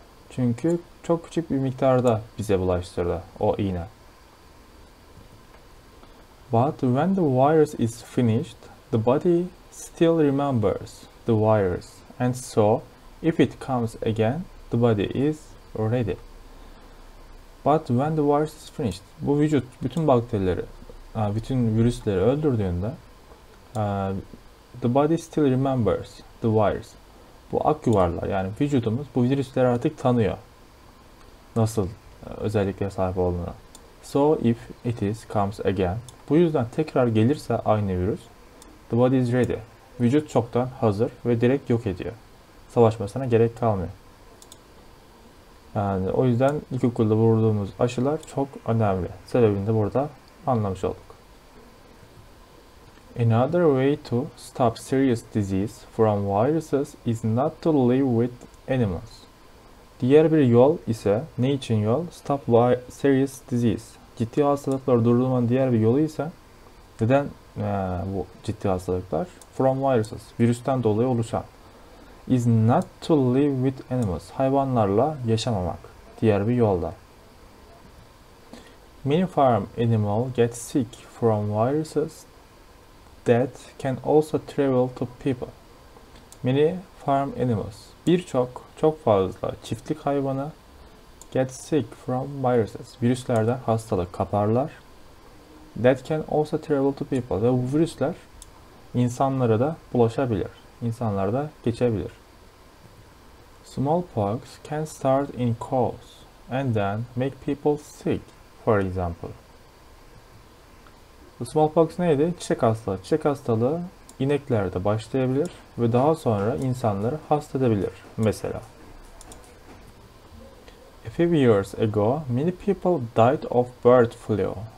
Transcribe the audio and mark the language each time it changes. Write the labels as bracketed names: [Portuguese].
[Turkish] Çünkü çok küçük bir miktarda bize bulaştırdı o iğne. [English] But when the virus is finished, the body still remembers the virus. And so, if it comes again, the body is ready. But when the virus is finished, [Turkish] bu vücut bütün bakterileri, bütün virüsleri öldürdüğünde, [English] the body still remembers the virus. [Turkish] Bu akyuvarlar, yani vücudumuz bu virüsleri artık tanıyor. Nasıl özelliklere sahip olduğunu. [English] So if it is comes again, [Turkish] bu yüzden tekrar gelirse aynı virüs, [English] the body is ready. [Turkish] Vücut çoktan hazır ve direkt yok ediyor. Savaşmasına gerek kalmıyor. Yani o yüzden ilkokulda vurduğumuz aşılar çok önemli. Sebebini de burada anlamış olduk. [English] Another way to stop serious disease from viruses is not to live with animals. [Turkish] Diğer bir yol ise, ne için yol? [English] Stop serious disease. [Turkish] Ciddi hastalıkları durdurmanın diğer bir yolu ise, neden bu ciddi hastalıklar? [English] From viruses, [Turkish] virüsten dolayı oluşan. [English] Is not to live with animals. [Turkish] Hayvanlarla yaşamamak. Diğer bir yolda. [English] Many farm animals get sick from viruses that can also travel to people. Many farm animals. [Turkish] Birçok, çok fazla çiftlik hayvanı [English] get sick from viruses. [Turkish] Virüslerden hastalık kaparlar. [English] That can also travel to people. [Turkish] Ve bu virüsler insanlara da bulaşabilir. İnsanlara da geçebilir. [English] Smallpox can start in cows and then make people sick, for example. [Turkish] Smallpox neydi? Çiçek hastalığı. Çiçek hastalığı ineklerde başlayabilir ve daha sonra insanları hasta edebilir mesela. [English] A few years ago, many people died of bird flu.